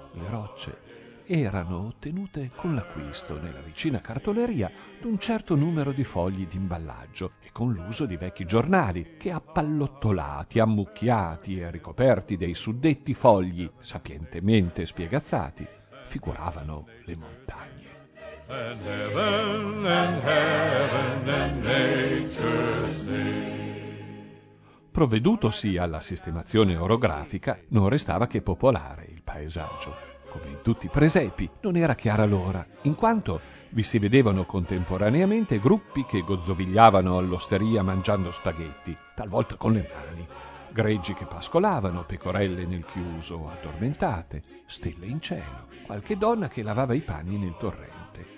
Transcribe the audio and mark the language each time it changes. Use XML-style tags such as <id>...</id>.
<it>Le rocce erano ottenute con l'acquisto nella vicina cartoleria d'un certo numero di fogli di imballaggio e con l'uso di vecchi giornali che, appallottolati, ammucchiati e ricoperti dei suddetti fogli, sapientemente spiegazzati, figuravano le montagne.</it> <en>And heaven, and heaven, and nature's sea.</en> <it>Provvedutosi alla sistemazione orografica, non restava che popolare il paesaggio. Come in tutti i presepi, non era chiara l'ora, in quanto vi si vedevano contemporaneamente gruppi che gozzovigliavano all'osteria mangiando spaghetti, talvolta con le mani, greggi che pascolavano, pecorelle nel chiuso addormentate, stelle in cielo, qualche donna che lavava i panni nel torrente.</it>